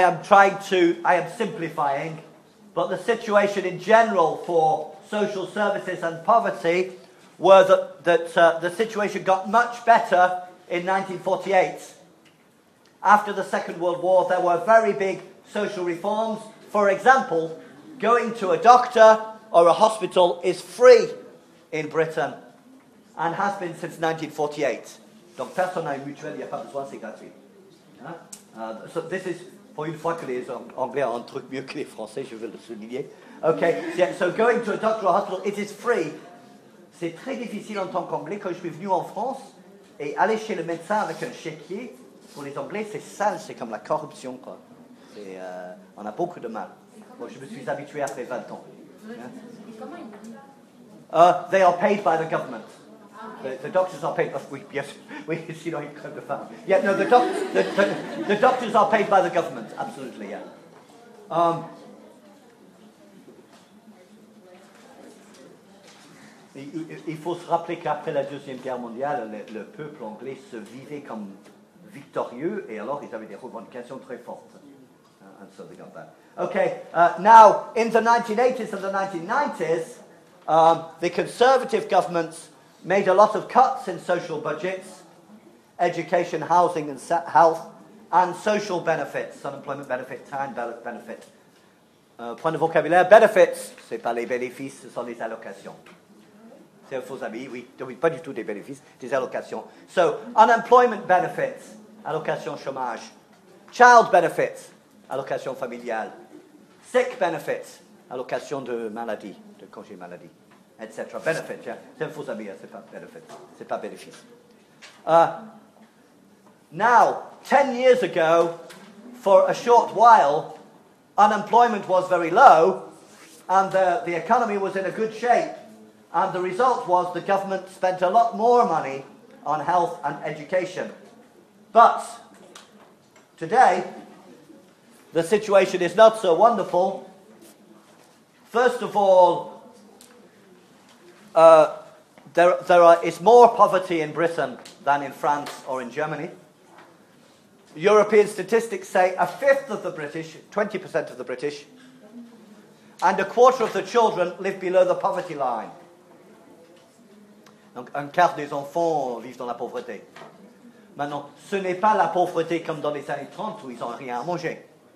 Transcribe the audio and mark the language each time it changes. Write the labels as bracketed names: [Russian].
[English] I am simplifying, but the situation in general for social services and poverty were that the situation got much better in 1948. After the Second World War, there were very big social reforms. For example, going to a doctor or a hospital is free in Britain and has been since 1948. [French] Donc, personne n'a une mutuelle, il n'y a pas besoin, c'est gratuit. Hein? [English] So this is, [French] pour une fois que les Anglais ont un truc mieux que les Français, je veux le souligner. [English] Okay, so going to a doctor or a hospital, it is free. [French] C'est très difficile en tant qu'Anglais. Quand je suis venu en France et aller chez le médecin avec un chéquier, pour les Anglais, c'est sale, c'est comme la corruption. Quoi. On a beaucoup de mal. Bon, je me suis habitué après 20 ans. [English] Yeah. They are paid by the government. The doctors are paid. The doctors are paid by the government. Absolutely, yeah. [French] Il faut se rappeler qu'après la Deuxième Guerre mondiale, le peuple anglais se vivait comme victorieux, et alors ils avaient des revendications très fortes. [English] And so they got that. Okay, now, in the 1980s and the 1990s, the Conservative governments made a lot of cuts in social budgets, education, housing and health, and social benefits, unemployment benefit, time benefit. [French] Point de vocabulaire, benefits, c'est pas les bénéfices, ce sont les allocations. C'est un faux ami, oui, oui, pas du tout des bénéfices, des allocations. [English] So, unemployment benefits, [French] allocation chômage, [English] child benefits, [French] allocation familiale, [English] sick benefits, [French] allocation de maladie, de congé maladie, etc. [English] Benefits, yeah. [French] C'est un faux ami, c'est pas benefits, c'est pas bénéfice. [English] Now, 10 years ago, for a short while, unemployment was very low, and the economy was in a good shape, and the result was the government spent a lot more money on health and education. But today, the situation is not so wonderful. First of all, there is more poverty in Britain than in France or in Germany. European statistics say a fifth of the British, 20% of the British, and a quarter of the children live below the poverty line. [French] Donc un quart des enfants vivent dans la pauvreté. Maintenant, ce n'est pas la pauvreté comme dans les années 30 où ils n'ont rien à manger.